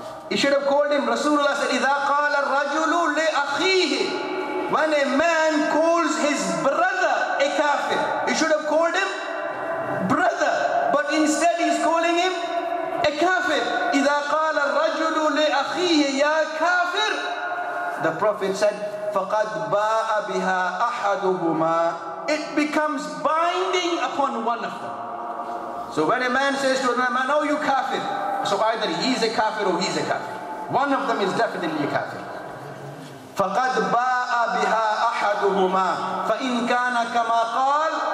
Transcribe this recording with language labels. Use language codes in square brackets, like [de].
[en] He should have called him, Rasulullah said, [ar] إِذَا قَالَ الرَّجُلُ لِأَخِيهِ. [en] When a man calls his brother a kafir, he should have called him brother. But instead he's calling him a kafir. [ar] إِذَا قَالَ الرَّجُلُ لِأَخِيهِ يَا كَافِر. [en] The Prophet said, [ar] فَقَدْ بَاءَ بِهَا أَحَدُهُمَا. [en] It becomes binding upon one of them. So when a man says to another man, oh, you kafir. So either he's a kafir or he's a kafir. One of them is definitely a kafir. [ar] فَقَدْ بَاءَ بِهَا أَحَدُهُمَا. فَإِنْ كَانَ كَمَا قَالَ.